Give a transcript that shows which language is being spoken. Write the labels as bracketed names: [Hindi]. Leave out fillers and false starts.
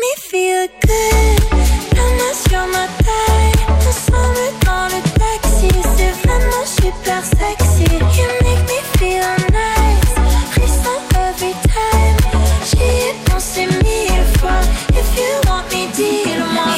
[English] Feel good, [French] la main sur ma taille. On s'enlève dans le taxi, c'est vraiment super sexy. [English] You make me feel nice, frissant every time. [French] J'y ai pensé mille fois, [English] if you want me, [French] dis-moi.